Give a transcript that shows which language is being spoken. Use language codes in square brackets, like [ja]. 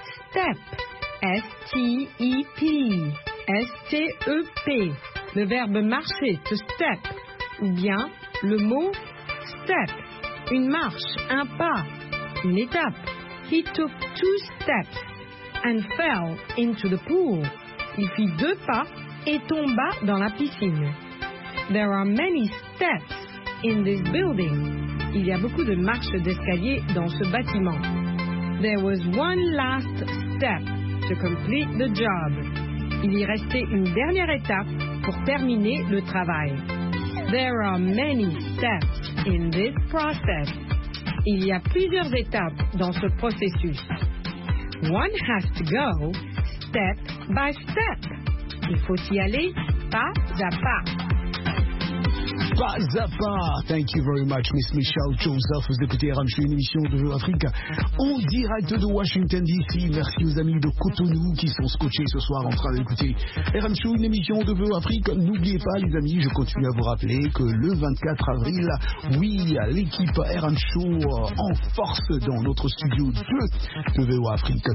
[fr] Step, S-T-E-P, S-T-E-P, le verbe marcher, to step, ou bien le mot step, une marche, un pas, une étape. [en] He took two steps and fell into the pool. [fr] Il fit deux pas et tomba dans la piscine. [en] There are many steps in this building. [fr] Il y a beaucoup de marches d'escalier dans ce bâtiment. [en] There was one last step to complete the job. [fr] Il y restait une dernière étape pour terminer le travail. [en] There are many steps in this process. [fr] Il y a plusieurs étapes dans ce processus. [en] One has to go step by step. [fr] Il faut y aller pas à pas. Pas à pas. [en] Thank you very much, Miss Michelle Joseph. [fr] Vous écoutez RMC, une émission de Jeux Afrique en direct de Washington DC. Merci aux amis de Cotonou qui sont scotchés ce soir en train d'écouter RMC, une émission de Jeux Afrique. N'oubliez pas, les amis, je continue à vous rappeler que le 24 avril, oui, l'équipe RMC en force dans notre studio 2 de Jeux Afrique.